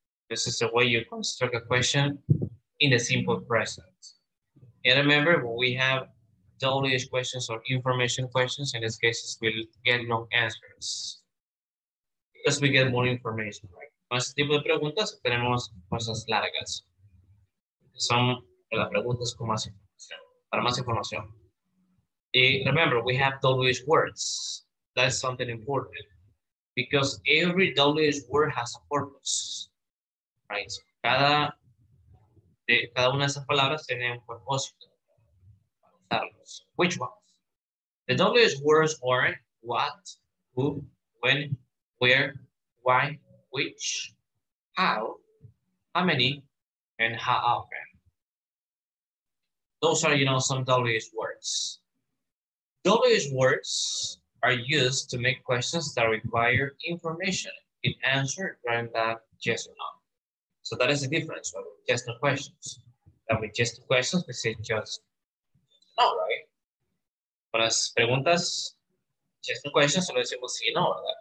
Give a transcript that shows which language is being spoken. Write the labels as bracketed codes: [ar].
[en] This is the way you construct a question in the simple present. And remember, when we have WH questions or information questions, in these cases, we'll get long answers because we get more information, right? [es] Más tipo de preguntas, tenemos cosas largas. Son las preguntas con más información, para más información. [en] And remember, we have WH words. That's something important because every WH word has a purpose, right? [es] So cada una de esas palabras tiene un propósito para usarlos. [en] Which ones? The WH words are what, who, when, where, why, which, how many, and how often. Those are, you know, some WH words. WH words are used to make questions that require information in answer rather than yes or no. So that is the difference with just no questions. And with just questions, we say just no, right? [es] con las preguntas, si es un question, solo decimos sí, no, ¿verdad?